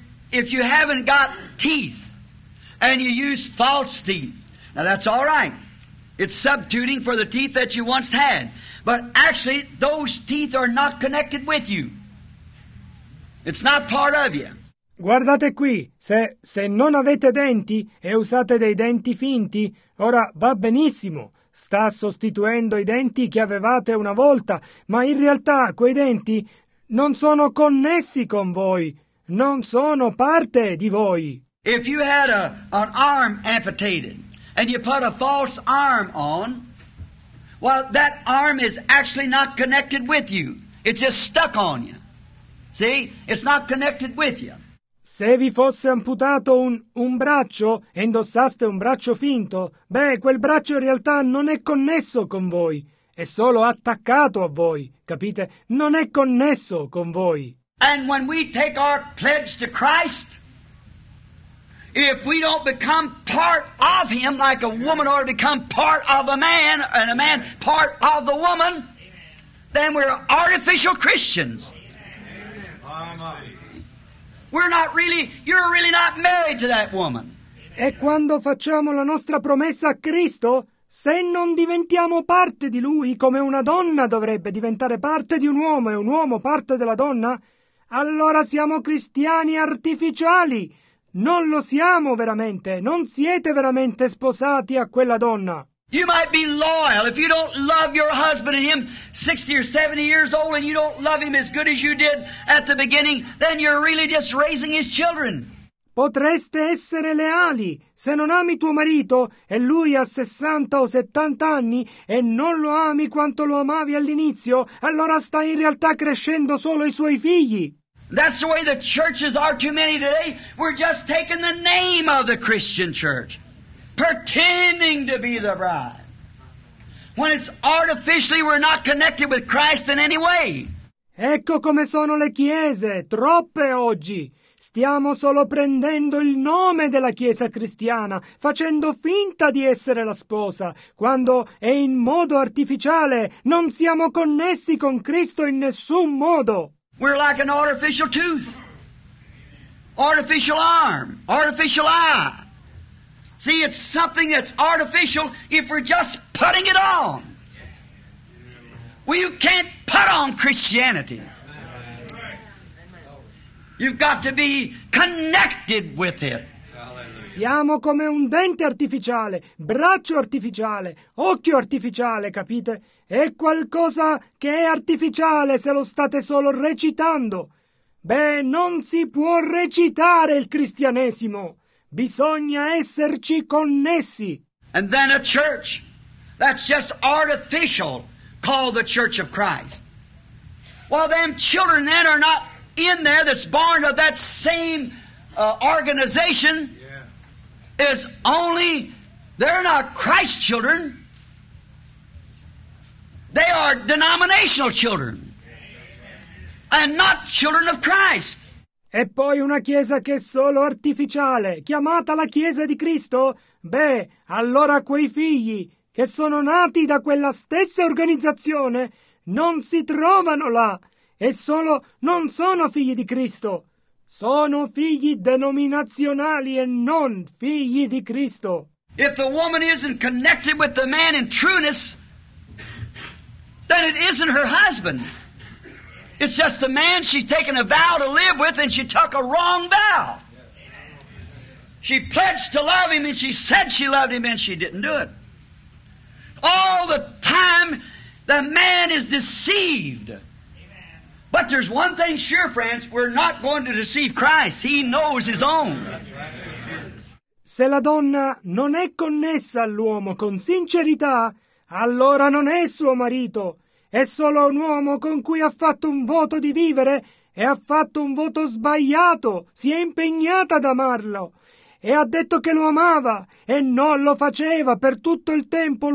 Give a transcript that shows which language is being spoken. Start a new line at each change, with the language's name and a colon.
English: If you haven't got teeth and you use false teeth, now that's all right. It's substituting for the teeth that you once had. But actually, those teeth are not connected with you. It's not part of you.
Italian: Guardate qui, se non avete denti e usate dei denti finti, ora va benissimo. Sta sostituendo i denti che avevate una volta, ma in realtà quei denti non sono connessi con voi, non sono parte di voi.
English: If you had an arm amputated and you put a false arm on, well, that arm is actually not connected with you. It's just stuck on you. See? It's not connected with you.
Italian: Se vi fosse amputato un braccio e indossaste un braccio finto, beh, quel braccio in realtà non è connesso con voi, è solo attaccato a voi, capite? Non è connesso con voi.
English: And when we take our pledge to Christ, if we don't become part of him like a woman ought to become part of a man, and a man part of the woman, then we're artificial Christians. Amen. We're not really, you're really not married to that woman.
Italian: E quando facciamo la nostra promessa a Cristo, se non diventiamo parte di Lui come una donna dovrebbe diventare parte di un uomo e un uomo parte della donna, allora siamo cristiani artificiali. Non lo siamo veramente, non siete veramente sposati a quella donna.
English: You might be loyal if you don't love your husband and him 60 or 70 years old and you don't love him as good as you did at the beginning, then you're really just raising his children.
Italian: Potreste essere leali se non ami tuo marito e lui ha 60 o 70 anni e non lo ami quanto lo amavi all'inizio, allora stai in realtà crescendo solo i suoi figli.
English: That's the way the churches are too many today. We're just taking the name of the Christian church, pretending to be the bride, when it's artificially we're not connected with Christ in any way.
Italian: Ecco come sono le chiese, troppe oggi. Stiamo solo prendendo il nome della Chiesa cristiana, facendo finta di essere la sposa, quando è in modo artificiale, non siamo connessi con Cristo in nessun modo.
English: We're like an artificial tooth, artificial arm, artificial eye. See, it's something that's artificial if we're just putting it on. Well, you can't put on Christianity. You've got to be connected with it.
Italian: Siamo come un dente artificiale, braccio artificiale, occhio artificiale, capite? È qualcosa che è artificiale se lo state solo recitando. Beh, non si può recitare il cristianesimo. Bisogna esserci connessi.
English: And then a church that's just artificial, called the Church of Christ. Well, them children that are not in there that's born of that same organization is only, they're not Christ children. They are denominational children and not children of Christ.
Italian: E poi una chiesa che è solo artificiale, chiamata la Chiesa di Cristo? Beh, allora quei figli che sono nati da quella stessa organizzazione non si trovano là e solo non sono figli di Cristo. Sono figli denominazionali e non figli di Cristo.
English: If the woman isn't connected with the man in trueness, then it isn't her husband. It's just the man she's taken a vow to live with, and she took a wrong vow. She pledged to love him, and she said she loved him, and she didn't do it. All the time, the man is deceived. But there's one thing sure, friends, we're not going to deceive Christ. He knows his own.
Italian: Se la donna non è connessa all'uomo con sincerità, allora non è suo marito. È solo un uomo con cui ha fatto un voto di vivere e ha fatto un voto sbagliato, si è impegnata ad amarlo e ha detto che lo amava e non lo faceva per tutto il tempo.